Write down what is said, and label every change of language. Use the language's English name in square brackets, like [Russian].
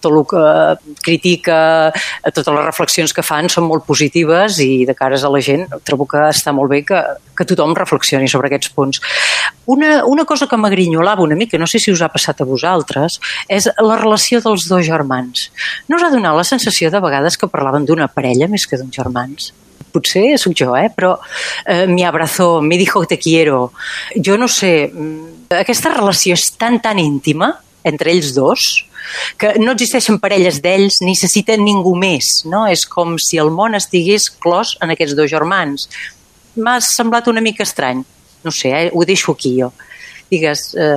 [Catalan] Tot el que critica, totes les reflexions que fan són molt positives i de cares a la gent trobo que està molt bé que tothom reflexioni sobre aquests punts. Una cosa que m'agrinyolava una mica, no sé si us ha passat a vosaltres, és la relació dels dos germans. No us ha donat la sensació de vegades que parlaven d'una parella més que d'uns germans? Potser sóc jo, eh? [Spanish] Però me abrazó, me dijo que te quiero. [Catalan] Jo no sé, aquesta relació és tan íntima entre ells dos que no existeixen parelles d'ells, necessiten ningú més, no? És com si el món estigués clos en aquests dos germans. M'ha semblat una mica estrany. No sé, ho deixo aquí jo. Digues...